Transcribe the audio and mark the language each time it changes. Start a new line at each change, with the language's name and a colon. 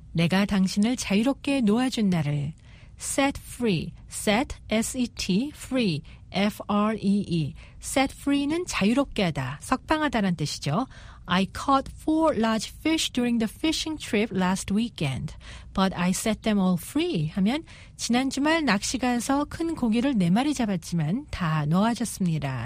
Korean: 내가 당신을 자유롭게 놓아준 날을.
English: Set free. Set, S-E-T, free, F-R-E-E. Set free
Korean: 는 자유롭게 하다, 석방하다란 뜻이죠.
English: I caught 4 large fish during the fishing trip last weekend. But I set them all free
Korean: 하면 지난 주말 낚시 가서 큰 고기를 4마리 잡았지만 다 놓아줬습니다.